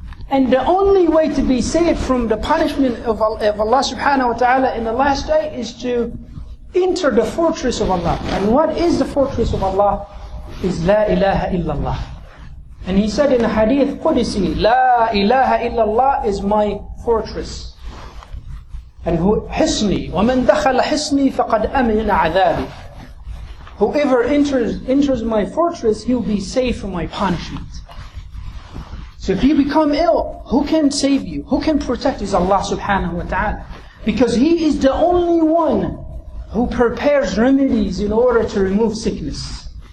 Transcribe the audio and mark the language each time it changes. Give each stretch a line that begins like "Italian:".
English: And the only way to be saved from the punishment of Allah subhanahu wa ta'ala in the last day is to enter the fortress of Allah. And what is the fortress of Allah? Is La ilaha illallah. And he said in the hadith Qudsi, La ilaha illallah is my fortress. And who hisni,
Arabic: وَمَنْ دَخَلَ حِسْنِي فَقَدْ أَمِنَ عَذَابِي.
English: Whoever enters my fortress, he'll be safe from my punishment. So if you become ill, who can save you? Who can protect you? It's Allah subhanahu wa ta'ala. Because He is the only one who prepares remedies in order to remove sickness.